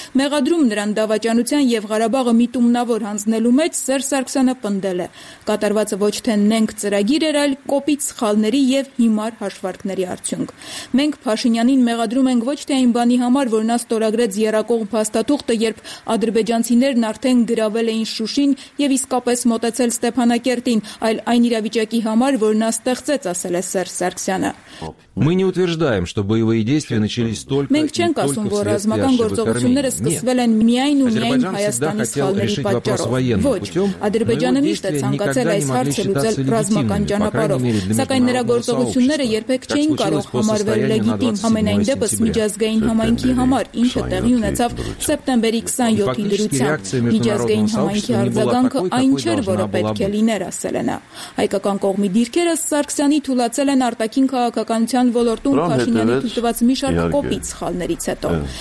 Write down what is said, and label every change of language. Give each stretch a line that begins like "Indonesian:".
Armenian: մեղադրում նրան դավաճանության և Ղարաբաղը միտումնավոր հանձնելու մեջ, Սերժ Սարգսյանը պնդել է, կատարվածը ոչ թե նենք ծրագիր էր, այլ կոպիտ սխալների և հիմար հաշվարկների արդյունք։ Մենք Փաշինյանին մեղադրում ենք ոչ թե այն բանի համար, որ նա ստորագրեց երակող փաստաթուղթը, երբ ադրբեջանցիներն արդեն գրավել էին Շուշին և իսկապես մոտեցել Ստեփանակերտին, այլ այն իրավիճակի համար, որ նա ստեղծեց, ասել է Սերժ Սարգսյանը։
Russian: Мы не утверждаем, что боевые действия начались только
Armenian: Մենք չենք ասում, որ ռազմական գործողությունները սկսվել են միայն ու միայն Հայաստանի սխալների պատճառով։ Ոչ, Ադրբեջանը միշտ է ցանկացել այս հարցը լուծել ռազմական ճանապարհով, սակայն նրա գործողությունները երբեք չէին կարող համարվել լեգիտիմ, համենայն դեպս միջազգային համայնքի համար, ինչը տեղի ունեցավ սեպտեմբերի 27-ի դրությամբ։ Միջազգային համայնքի արձագանքը այն չէր, որը պետք է լիներ, ասել է նա։ Հայկական կողմի դիրքերը Սարգսյանի թուլացել են արտաքին քաղաքական ոլորտում Փաշինյանի թույլտված մի շարք կոպիտ սխալներից հետո։